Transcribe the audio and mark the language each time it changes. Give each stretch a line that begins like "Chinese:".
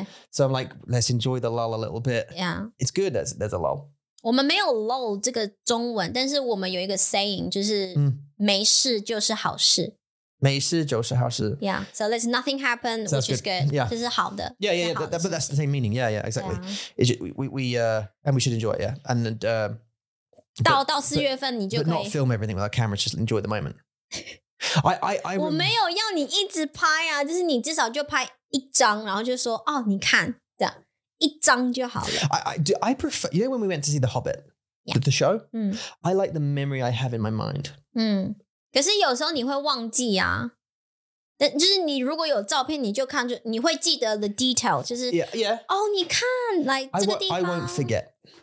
English: So I'm like, let's enjoy the lull a little bit. Yeah. It's good that there's a lull.
Chinese: 我们没有漏这个中文，但是我们有一个 saying，就是没事就是好事。美式90号是
English: Yeah, so there's nothing happened, which is good. Yeah.
Chinese: 这是好的,
English: yeah, yeah, yeah, but, that, but that's the same meaning. Yeah, yeah, exactly. Yeah. Just, and we should enjoy it, yeah. And,
Chinese: 到4月份你就可以
English: But not film everything without cameras, just enjoy the moment. I
Chinese: 我没有要你一直拍啊, 就是你至少就拍一张,然后就说, 哦,你看,这样,一张就好了。
English: I prefer, you know when we went to see The Hobbit? Yeah. The show? Mm. I like the memory I have in my mind.
Chinese: Mm. 可是有时候你会忘记啊, 就是你如果有照片你就看就, 你会记得
English: the detail,
Chinese: 就是,
English: yeah, yeah.
Chinese: 哦,你看, like,
English: I won't forget.